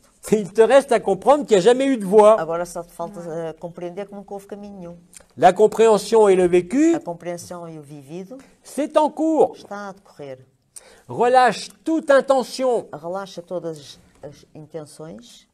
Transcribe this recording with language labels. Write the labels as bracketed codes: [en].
[fr] Il te reste à comprendre qu'il n'y a jamais eu de voie. [pt] Agora só te falta compreender que nunca houve caminho nenhum. [fr] La compréhension et le vécu. [pt] A compreensão e o vivido. [fr] C'est en cours. [pt] Está a decorrer. [fr] Relâche toute intention. [pt] Relaxa todas as intenções.